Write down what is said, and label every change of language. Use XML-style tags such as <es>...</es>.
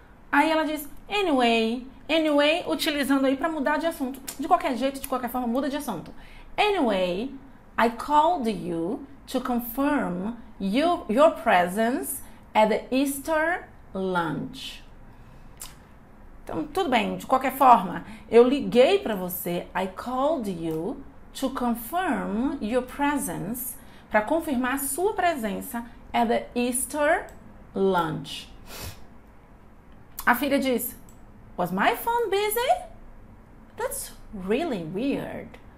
<pt>Aí ela diz, anyway, utilizando aí para mudar de assunto. De qualquer jeito, de qualquer forma, muda de assunto.</pt> <en>Anyway, I called you to confirm your presence at the Easter lunch.</en> <pt>Então, tudo bem, de qualquer forma, eu liguei para você.</pt> <en>I called you to confirm your presence,</en> <pt>para confirmar a sua presença</pt> <en>at the Easter lunch.</en> <pt>A filha diz,</pt> <en>was my phone busy? That's really weird.</en>